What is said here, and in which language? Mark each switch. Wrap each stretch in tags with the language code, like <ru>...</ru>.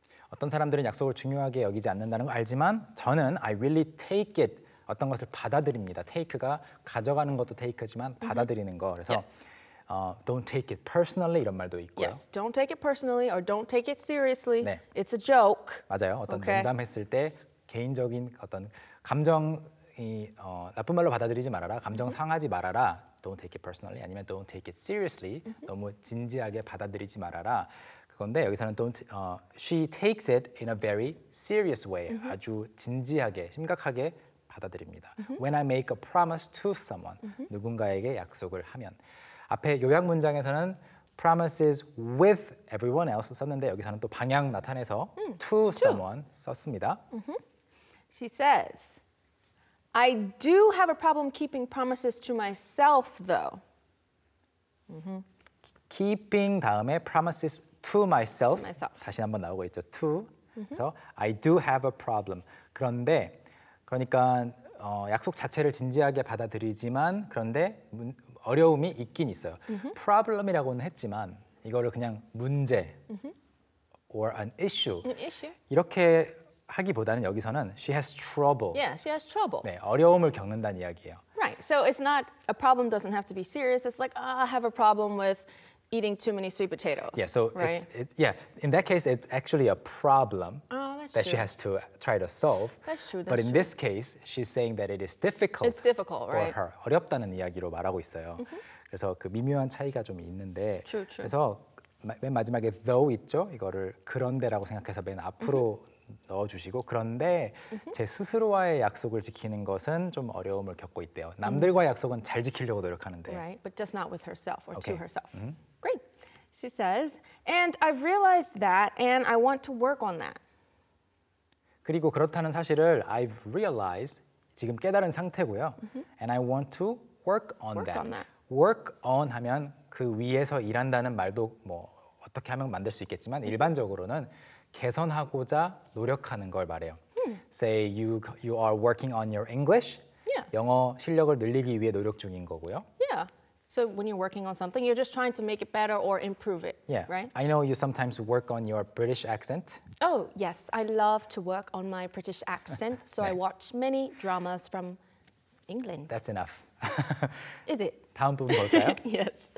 <ko>어떤 사람들은 약속을 중요하게 여기지 않는다는 거 알지만 저는</ko> <en>I really take it</en> <ko>어떤 것을 받아들입니다. Take가 가져가는 것도 take지만 받아들이는 거. 그래서</ko> <en>yes. Don't take it personally</en> <ko>이런 말도 있고요.</ko> <en>Yes, don't take it personally or don't take it seriously.</en> <ko>네.</ko> <en>It's a joke.</en> <ko>맞아요. 어떤 okay. 농담했을 때 개인적인 어떤 감정이 나쁜 말로 받아들이지 말아라. 감정 상하지 말아라.</ko> <en>Don't take it personally 아니면 don't take it seriously mm-hmm.</en> <ko>너무 진지하게 받아들이지 말아라 그건데 여기서는</ko> <en>don't she takes it in a very serious way mm-hmm.</en> <ko>아주 진지하게 심각하게 받아들입니다 mm-hmm.</ko> <en>when I make a promise to someone mm-hmm.</en> <ko>누군가에게 약속을 하면 앞에 요약 문장에서는</ko> <en>promises with everyone else</en> <ko>썼는데 여기서는 또 방향 나타내서</ko> <en>to someone</en> <ko>썼습니다</ko> <en>mm-hmm. she says I do have a problem keeping promises to myself, though. Mm-hmm. Keeping 다음에 promises to myself. To myself.</en> <ko>다시 한번 나오고 있죠.</ko> <en>To. Mm-hmm. So I do have a problem.</en> <ko>그런데 그러니까 약속 자체를 진지하게 받아들이지만 그런데 어려움이 있긴 있어요. Mm-hmm. Problem이라고는 했지만 이거를 그냥 문제 mm-hmm.</ko> <en>or an issue. An issue.</en> <ko>이렇게. 하기보다는 여기서는</ko> <en>she has trouble. Yeah, she has trouble.</en> <ko>네, 어려움을 겪는다는 이야기예요.</ko> <en>Right. So it's not a problem doesn't have to be serious. It's like oh, I have a problem with eating too many sweet potatoes. Yeah, so right? In that case it's actually a problem oh, that's that true. She has to try to solve. That's true. That's But in true. This case she's saying that it is difficult. It's difficult, for right? her.</en> <ko>어렵다는 이야기로 말하고 있어요. Mm-hmm. 그래서 그 미묘한 차이가 좀 있는데</ko> <en>true, true.</en> <ko>그래서 맨 마지막에 though 있죠? 이거를 그런데라고 생각해서 맨 앞으로 mm-hmm. 넣어주시고 그런데 mm-hmm. 제 스스로와의 약속을 지키는 것은 좀 어려움을 겪고 있대요. 남들과 약속은 잘 지키려고 노력하는데.</ko> <en>Right, but just not with herself or okay. to herself. Mm-hmm. Great, she says. And I've realized that, and I want to work on that.</en> <ko>그리고 그렇다는 사실을</ko> <en>I've realized</en> <ko>지금 깨달은 상태고요. Mm-hmm.</ko> <en>And I want to work on work that. Work on that.</en> <ko>Work on 하면 그 위에서 일한다는 말도 뭐. 어떻게 하면 만들 수 있겠지만 일반적으로는 개선하고자 노력하는 걸 말해요.</ko> <en>Say you are working on your English. Yeah.</en> <ko>영어 실력을 늘리기 위해 노력 중인 거고요.</ko> <en>Yeah. So when you're working on something, you're just trying to make it better or improve it, yeah. right? I know you sometimes work on your British accent. Oh, yes. I love to work on my British accent. So 네. I watch many dramas from England. That's enough. Is it?</en> <ko>다음 부분 볼까요?</ko> <en>yes.</en>